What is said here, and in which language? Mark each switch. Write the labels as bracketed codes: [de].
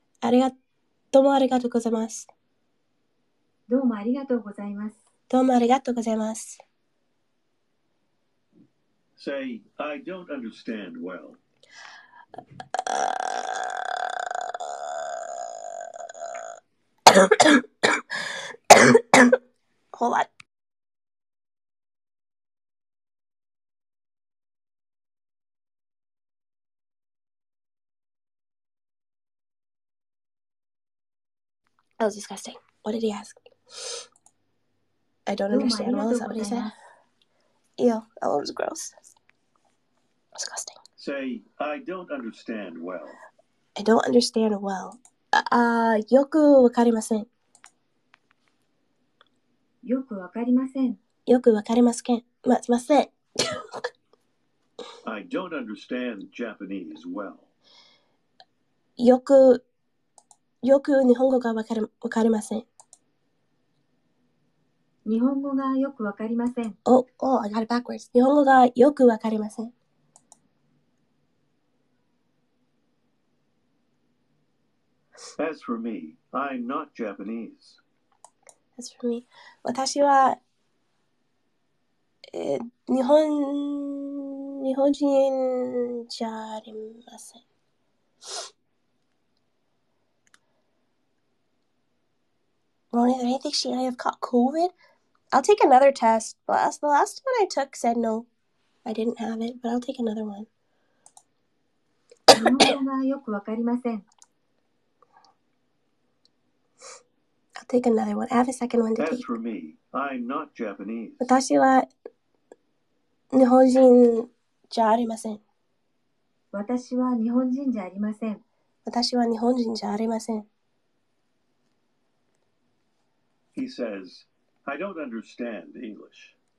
[ja] ありがどうもありがとうございます。どうもありがとうございます。どうもありがとうございます。 [en] Say, I don't understand well. Hold on. That was disgusting. What did he ask? I don't understand well. Is that what he said? Ew, that was gross. Disgusting. Say, I don't understand well. I don't understand well. [ja] よくわかりません。よくわかりません。よくわかりますけん、ま、ません。 [en] I don't understand Japanese well. [ja] よく日本語がわかりません。日本語がよくわかりません。 [en] Oh, I got it backwards. [ja] 日本語がよくわかりません。 [en] As for me, I'm not Japanese. As for me, [ja] 私は、日本人じゃありません。 [en] Ronnie, is there anything she might have caught COVID? I'll take another test. The last one I took said no. I didn't have it, but I'll take another one. [ja] 日本語がよくわかりません。 [en] Take another one. I have a second one to As take. As for me, I'm not Japanese. [ja] 私は日本人じゃありません。私は日本人じゃありません。私は日本人じゃありません。 [en] He says, I don't understand English.